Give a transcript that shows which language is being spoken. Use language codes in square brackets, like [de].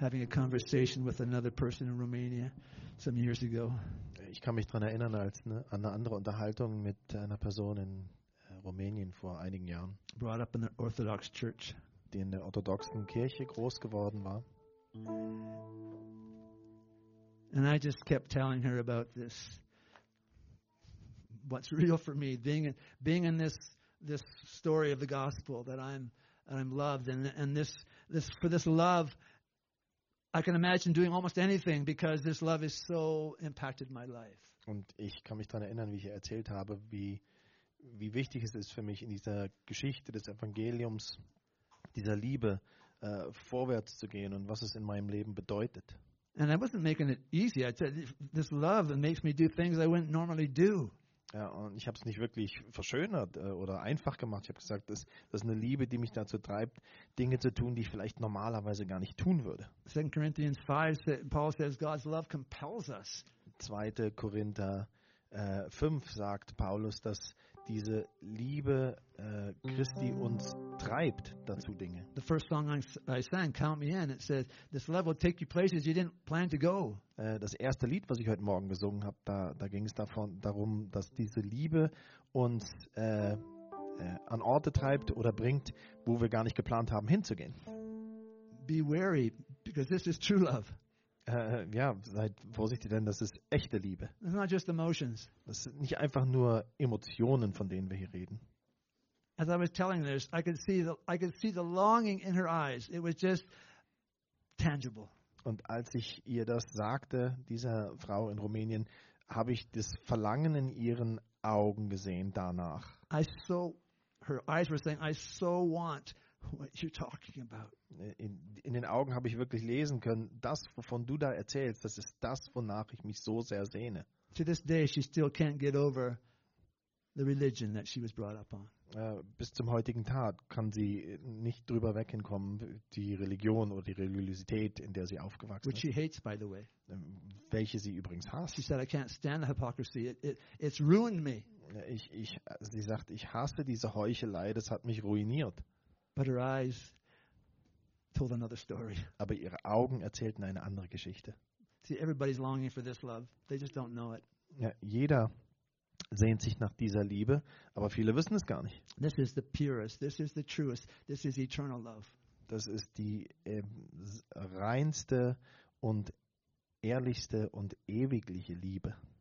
[en] Conversation with another person in Romania some years ago. [de] Ich kann mich daran erinnern, als an eine andere Unterhaltung mit einer Person in Rumänien vor einigen Jahren. [en] Brought up in the Orthodox Church. [de] Die in der orthodoxen Kirche groß geworden war. [en] And I just kept telling her about this. What's real for me, being in this story of the gospel that I'm loved and this for this love. I can imagine doing almost anything because this love has so impacted my life. [de] Und ich kann mich daran erinnern, wie ich erzählt habe, wie wichtig es ist für mich in dieser Geschichte des Evangeliums, dieser Liebe vorwärts zu gehen und was es in meinem Leben bedeutet. [en] And I wasn't making it easy. I said, this love makes me do things I wouldn't normally do. [de] Ja, und ich habe es nicht wirklich verschönert oder einfach gemacht. Ich habe gesagt, das ist eine Liebe, die mich dazu treibt, Dinge zu tun, die ich vielleicht normalerweise gar nicht tun würde. [en] 2. Corinthians 5, Paul says, God's love compels us. 2. [de] Korinther 5 sagt Paulus, dass diese Liebe Christi uns treibt dazu Dinge. [en] The first song I sang, Count Me In, it says, this love will take you places you didn't plan to go. [de] Das erste Lied, was ich heute Morgen gesungen habe, da ging es darum, dass diese Liebe uns an Orte treibt oder bringt, wo wir gar nicht geplant haben, hinzugehen. [en] Be wary, because this is true love. [de] Ja, seid vorsichtig, denn das ist echte Liebe. [en] It's not just emotions. [de] Das sind nicht einfach nur Emotionen, von denen wir hier reden. [en] As I was telling this, I could see the longing in her eyes. It was just tangible. [de] Und als ich ihr das sagte, dieser Frau in Rumänien, habe ich das Verlangen in ihren Augen gesehen danach. [en] Her eyes were saying, I so want what you're talking about. [de] In den Augen habe ich wirklich lesen können, das, wovon du da erzählst, das ist das, wonach ich mich so sehr sehne. [en] To this day, she still can't get over the religion that she was brought up on. [de] Bis zum heutigen Tag kann sie nicht drüber weghinkommen, die Religion oder die Religiosität, in der sie aufgewachsen [en] which [de] ist. [en] Which she hates, by the way. [de] Welche sie übrigens hasst. [en] She said, I can't stand the hypocrisy. It's ruined me. [de] Sie sagt, ich hasse diese Heuchelei, das hat mich ruiniert. [en] But her eyes told another story. [de] Aber ihre Augen erzählten eine andere Geschichte. [en] See, everybody's longing for this love. They just don't know it. [de] Ja, jeder sehnt sich nach dieser Liebe, aber viele wissen es gar nicht. [en] This is the purest, this is the truest, this is eternal love. [de] Das ist die reinste und ehrlichste und ewigliche Liebe.